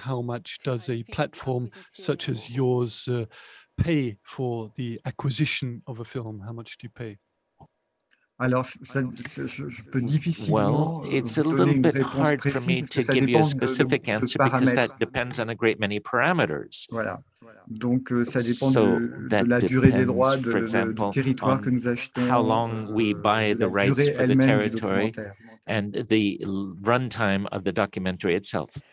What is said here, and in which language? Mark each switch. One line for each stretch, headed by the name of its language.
English: How much does a platform such as yours pay for the acquisition of a film? How much do you pay?
French: Alors, je peux difficilement
English: It's a little bit hard for me to give you a specific answer because that depends on a great many parameters.
French: Voilà. Donc, ça dépend de la durée des droits, du territoire que nous achetons,
English: how long we buy the rights for the territory and the runtime of the documentary itself.